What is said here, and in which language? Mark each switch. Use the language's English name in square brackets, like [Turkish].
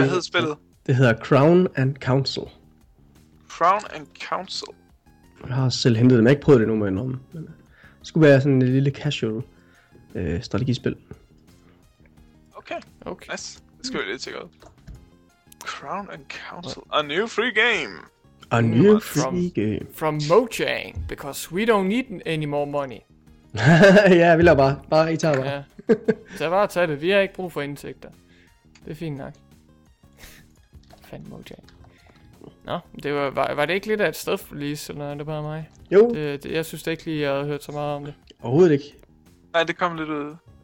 [Danish] Hvad hedder spillet? Det hedder Crown and Council. Crown and Council? Jeg har selv hentet det, men jeg har ikke prøvet det nu, men det skulle være sådan et lille casual strategispil. [English] Okay, nice. [Danish] Det skal vi lige tjekke ud. [English] Crown and Council, a new free game. A new free game. From Mojang, because we don't need any more money. [Danish] Ja, vi lader bare i tager bare. Ja. Tag bare og tag det, vi har ikke brug for indtægter. Det er fint nok. Fandt Mojang. Nå, det var det ikke lidt af et stealth release, eller er det bare mig? Jo. Jeg synes det ikke lige, jeg havde hørt så meget om det. Overhovedet ikke. Nej, det kom lidt ud.